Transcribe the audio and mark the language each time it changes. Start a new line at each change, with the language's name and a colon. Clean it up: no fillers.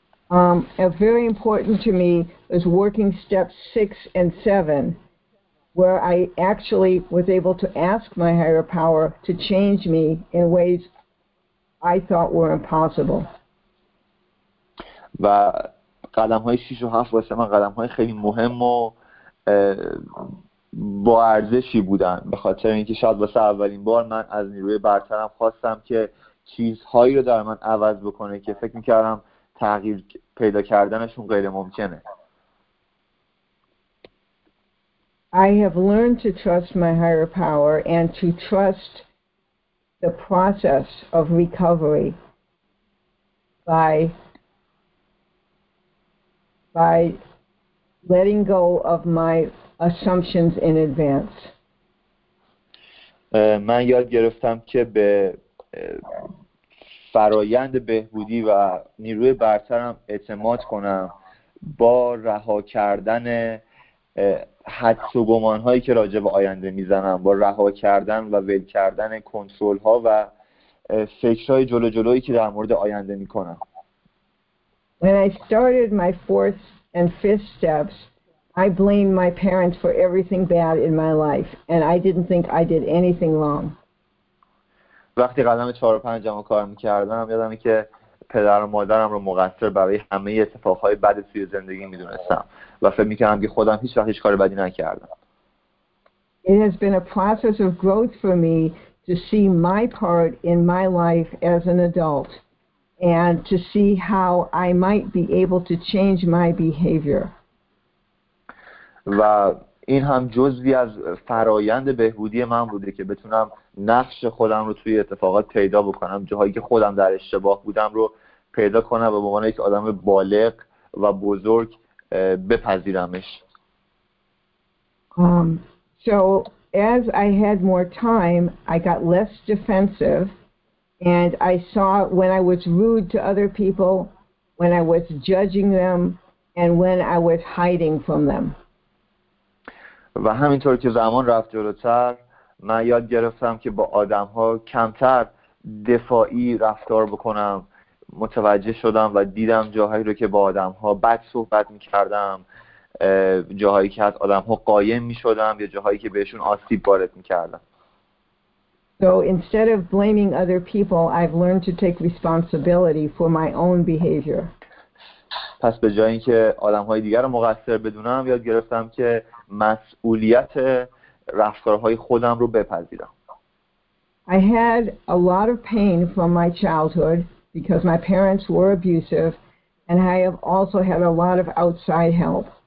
English: Very important to me is working steps 6 and 7, where I actually was able to ask my higher power to change me in ways I thought were impossible.
Persian: و قدم های 6 و 7 واسه من قدم های خیلی مهم و با ارزشی بودن، به خاطر اینکه شاید واسه اولین بار من از نیروی برترم خواستم که چیزهایی رو در من عوض بکنه که فکر میکردم تغییر پیدا کردنشون غیر ممکنه.
English: I have learned to trust my higher power and to trust the process of recovery by letting go of my assumptions in advance.
Persian: من یاد گرفتم که به فرایند بهبودی و نیروی برترم اعتماد کنم با رها کردن حدس و گمان هایی که راجع به آینده میزنم، با رها کردن و ول کردن کنترل ها و فکرهای جلو جلویی که در مورد آینده میکنم.
English: When I started my 4th and 5th steps, I blamed my parents for everything bad in my life and I didn't think I did anything wrong.
Persian: وقتی قدم 4 و 5 رو کار میکردم یادم میاد که پدر و مادرم رو مقصر برای همه اتفاقهای بد توی زندگی میدونستم و فکر میکردم که خودم هیچ وقت هیچ کار بدی نکردم.
English: It has been a process of growth for me to see my part in my life as an adult and to see how I might be able to change my behavior.
Persian: و این هم جزوی از فرایند بهبودی من بوده که بتونم نقش خودم رو توی اتفاقات پیدا بکنم، جاهایی که خودم در اشتباه بودم رو پیدا کنم و به عنوان یک آدم بالغ و بزرگ بپذیرمش.
English: So as I had more time, I got less defensive and I saw when I was rude to other people, when I was judging them and when I was hiding from them.
Persian: و همینطور که زمان رفت جلوتر من یاد گرفتم که با آدم ها کمتر دفاعی رفتار بکنم، متوجه شدم و دیدم جاهایی رو که با آدم ها بد صحبت می کردم، جاهایی که از آدم ها قایم می شدم یا جاهایی که بهشون آسیب وارد می کردم.
English: So instead of blaming other people, I've learned to take responsibility for my own behavior.
Persian: پس به جای اینکه آدم‌های دیگر رو مقصر بدونم یاد گرفتم که مسئولیت رفتارهای خودم رو بپذیرم.
English: I had a lot of pain from my childhood because my parents were abusive and I have also had a lot of outside help.